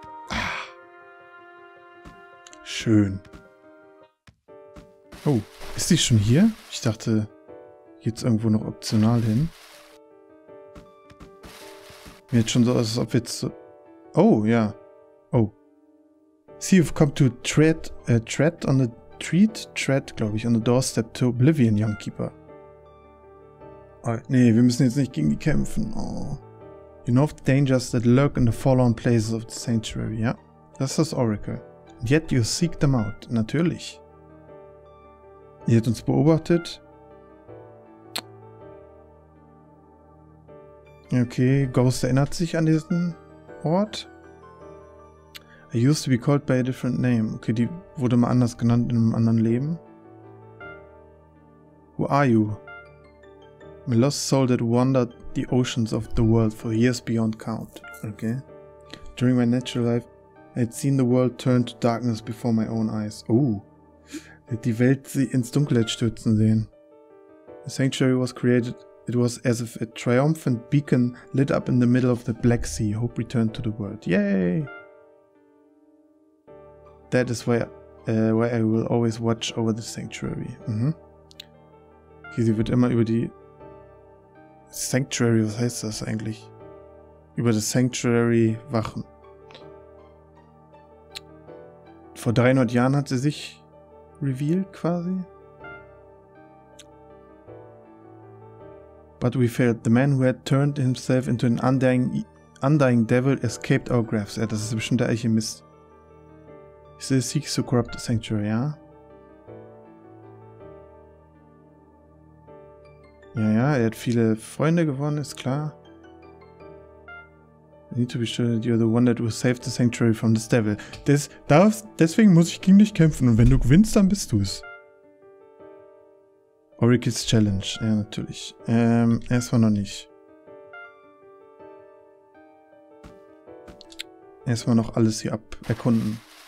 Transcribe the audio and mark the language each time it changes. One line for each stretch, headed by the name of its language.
German: Ah. Schön. Oh, ist die schon hier? Ich dachte, geht's irgendwo noch optional hin. Mir jetzt schon so aus, als ob jetzt so. Oh, ja. Oh.
English: See, you've come to tread, tread on the treat, tread,
German: glaube ich,
English: on the doorstep to Oblivion, Young Keeper.
German: Nee, wir müssen jetzt nicht gegen die kämpfen. Oh.
English: You know of the dangers that lurk in the forlorn places of the sanctuary, ja?
German: Das ist das Oracle.
English: And yet you seek them out.
German: Natürlich. Ihr habt uns beobachtet. Okay, Ghost erinnert sich an diesen Ort.
English: I used to be called by a different name.
German: Okay, die wurde mal anders genannt in einem anderen Leben.
English: Who are you? I'm a lost soul that wandered the oceans of the world for years beyond count. Okay. During my natural life, I had seen the world turn to darkness before my own eyes. Oh.
German: Ich hätte die Welt sie ins Dunkelheit stürzen sehen.
English: The sanctuary was created. It was as if a triumphant beacon lit up in the middle of the Black Sea. Hope returned to the world. Yay! That is why I will always watch over the sanctuary. Mhm.
German: Okay, sie wird immer über die Sanctuary, was heißt das eigentlich? Über das Sanctuary wachen. Vor 300 Jahren hat sie sich revealed quasi.
English: But we failed. The man who had turned himself into an undying devil escaped our grasp.
German: Ja, das ist bestimmt der Alchemist.
English: He still seeks to corrupt the sanctuary, ja?
German: Ja, ja, er hat viele Freunde gewonnen, ist klar.
English: I need to be sure that you're the one that will save the sanctuary from this devil.
German: Deswegen muss ich gegen dich kämpfen und wenn du gewinnst, dann bist du es. Oracle's Challenge, ja natürlich. Erstmal noch nicht. Erstmal noch alles hier ab erkunden.